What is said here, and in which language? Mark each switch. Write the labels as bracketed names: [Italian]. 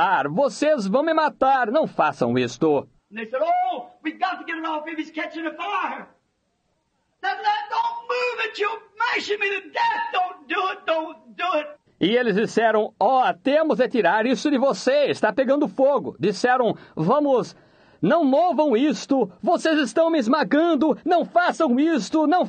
[Portuguese] Vocês vão me matar, não façam isto. [English] And they said, oh, we've got to get him off if he's catching a fire. Don't move it, you're mashing me to death. Don't do it. [Portuguese] E eles disseram, oh, temos de tirar isso de você, está pegando fogo. Disseram, vamos, não movam isto, vocês estão me esmagando, não façam isto.